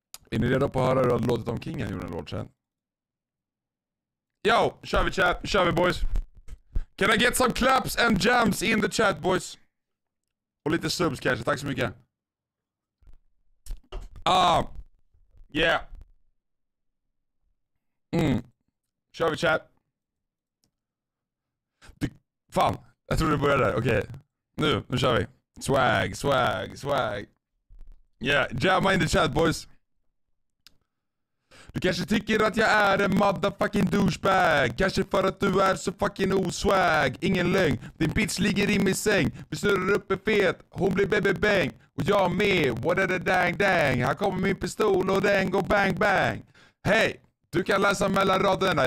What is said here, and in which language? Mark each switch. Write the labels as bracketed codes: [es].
[sv] Är ni redo på att höra hur det hade låtit om Kingen gjorde en låtchat? Yo, kör vi chat, kör vi boys. [en] Can I get some claps and jams in the chat, boys? [sv] Och lite subs kanske, tack så mycket. Yeah. Kör vi chat. Fan, jag tror det börjar där, okej. Okay. Nu kör vi. Swag, swag, swag. [en] Yeah, jamma in the chat, boys. [sv] Du kanske tycker att jag är en motherfucking douchebag. Kanske för att du är så fucking oswag. Ingen lögn, din bitch ligger i min säng. Vi snurrar uppe fet, hon blir baby bang. Och jag med, [en] what a dang dang. [sv] Här kommer min pistol och den går bang bang. Hej, du kan läsa mellan raderna.